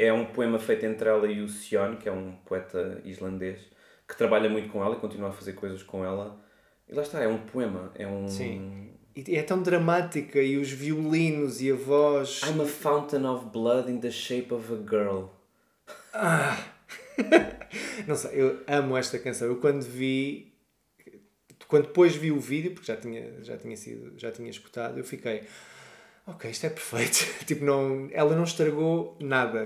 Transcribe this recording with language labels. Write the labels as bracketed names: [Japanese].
[Portuguese] É um poema feito entre ela e o Sion, que é um poeta islandês, que trabalha muito com ela e continua a fazer coisas com ela. E lá está, é um poema, é um... Sim. E é tão dramática, e os violinos e a voz... [English] I'm a fountain of blood in the shape of a girl. Ah. [Portuguese] Não sei, eu amo esta canção. Eu quando vi... quando depois vi o vídeo, porque já tinha escutado, eu fiquei... ok, isto é perfeito. Tipo, não, ela não estragou nada.